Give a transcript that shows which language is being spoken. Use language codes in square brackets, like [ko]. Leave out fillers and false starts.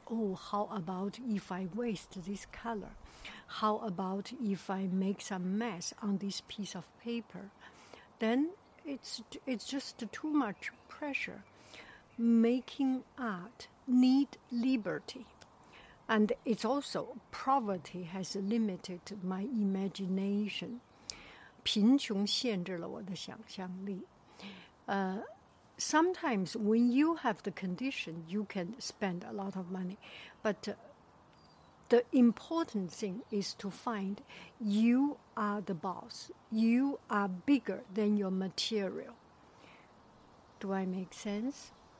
[en] Oh, how about if I waste this color? How about if I make some mess on this piece of paper? Then it's just too much pressure. Making art need liberty. And it's also, poverty has limited my imagination. [zh] 贫穷限制了我的想象力。 [en] Sometimes when you have the condition, you can spend a lot of money. But the important thing is to find you are the boss. You are bigger than your material. Do I make sense?